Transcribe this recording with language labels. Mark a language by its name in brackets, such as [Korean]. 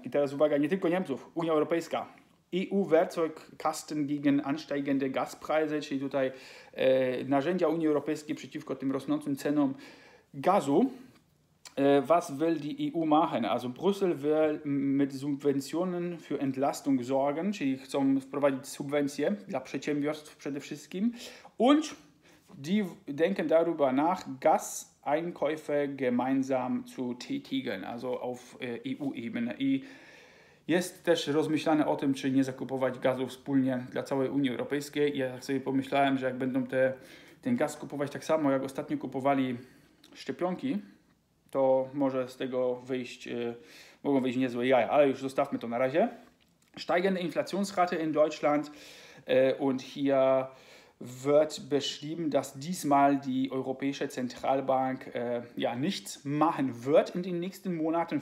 [Polish] I teraz uwaga, nie tylko Niemców, Unia Europejska. [German] EU-Werkzeugkasten gegen ansteigende Gaspreise, [Polish] czyli tutaj narzędzia Unii Europejskiej przeciwko tym rosnącym cenom gazu. [German] Was will die EU machen? Also Brüssel will mit Subventionen für Entlastung sorgen, [Polish] czyli chcą wprowadzić subwencje dla przedsiębiorstw przede wszystkim. [German] Und die denken darüber nach, Gaseinkäufe gemeinsam zu tätigen, also auf EU-Ebene. I [Polish] Jest też rozmyślane o tym, czy nie zakupować gazu wspólnie dla całej Unii Europejskiej. I ja tak sobie pomyślałem, że jak będą ten gaz kupować tak samo, jak ostatnio kupowali szczepionki, to może z tego wyjść, mogą wyjść niezłe jaja, ale już zostawmy to na razie. [German] Steigende Inflationsrate in Deutschland und hier wird beschrieben, dass diesmal die Europäische Zentralbank ja nichts machen wird in den nächsten Monaten.